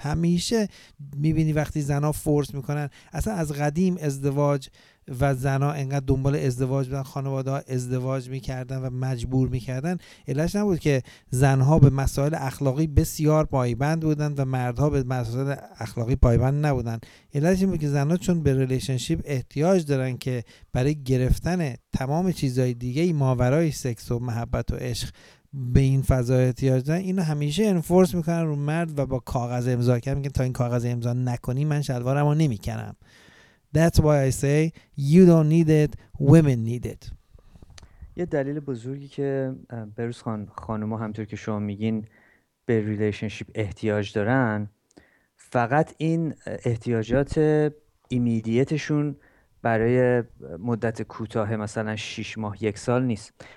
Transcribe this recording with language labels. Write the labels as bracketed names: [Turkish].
[Persian] همیشه میبینی وقتی زنها فورس میکنن، اصلا از قدیم ازدواج و زنها اینقدر دنبال ازدواج بودن، خانواده ها ازدواج میکردن و مجبور میکردن، علاش نبود که زنها به مسائل اخلاقی بسیار پایبند بودن و مردها به مسائل اخلاقی پایبند نبودن، علاش این بود که زنها چون به ریلیشنشیپ احتیاج دارن که برای گرفتن تمام چیزهای دیگه ماورای سکس و محبت و عشق به این فضا احتیاج دارن، اینو همیشه انفورس میکنن رو مرد و با کاغذ امضا کردن، میگن تا این کاغذ امضا نکنی من شلوارمو نمیکنم. [English] That's why I say you don't need it, women need it. [Persian] یه دلیل بزرگی که بروز خان خانوما همطور که شما میگین به ریلیشنشیپ احتیاج دارن، فقط این احتیاجات ایمیدیتشون برای مدت کوتاه مثلا 6 ماه یک سال نیست.